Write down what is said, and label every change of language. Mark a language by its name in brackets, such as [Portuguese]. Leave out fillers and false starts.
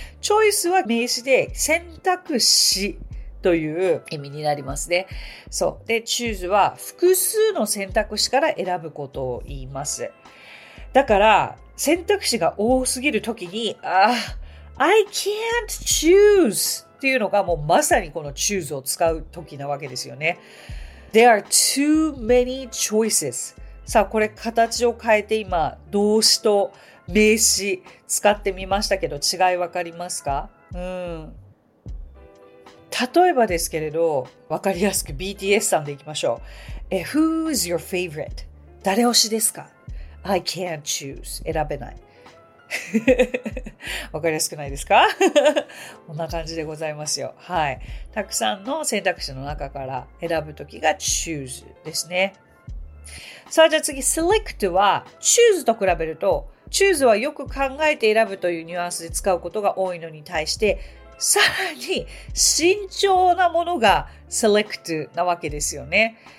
[Japanese] チョイスは名詞で選択肢という意味になりますね。そう。で、choose は複数の選択肢から選ぶことを言います。だから、選択肢が多すぎるときに、 [English] I can't choose [Japanese] っていうのが、もうまさにこの choose を使うときなわけですよね。 [English] There are too many choices。 [Japanese] さあ、これ形を変えて今、動詞と名詞使ってみましたけど、違いわかりますか？例えばですけれど、わかりやすく BTS さんでいきましょう。 [English] Who is your favorite? [Japanese] 誰推しですか？ [English] I can't choose. [Japanese] 選べない。わかりやすくないですか？こんな感じでございますよ。はい。たくさんの選択肢の中から選ぶときが choose ですね。さあ、じゃあ次、select は choose と比べると、choose はよく考えて選ぶというニュアンスで使うことが多いのに対して、さらに慎重なものが select なわけですよね。